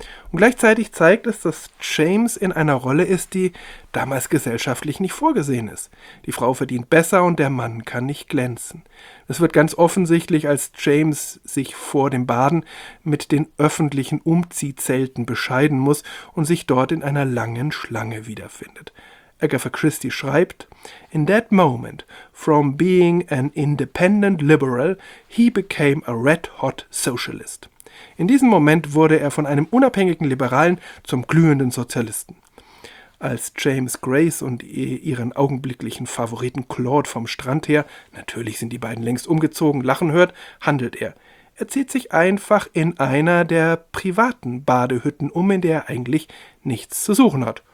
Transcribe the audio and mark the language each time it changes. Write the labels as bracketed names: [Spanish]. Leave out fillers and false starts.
[German] Und gleichzeitig zeigt es, dass James in einer Rolle ist, die damals gesellschaftlich nicht vorgesehen ist. Die Frau verdient besser und der Mann kann nicht glänzen. Es wird ganz offensichtlich, als James sich vor dem Baden mit den öffentlichen Umziehzelten bescheiden muss und sich dort in einer langen Schlange wiederfindet. Agatha Christie schreibt: [English] In that moment, from being an independent liberal, he became a red-hot socialist. [German] In diesem Moment wurde er von einem unabhängigen Liberalen zum glühenden Sozialisten. Als James Grace und ihren augenblicklichen Favoriten Claude vom Strand her, natürlich sind die beiden längst umgezogen, lachen hört, handelt er. Er zieht sich einfach in einer der privaten Badehütten um, in der er eigentlich nichts zu suchen hat.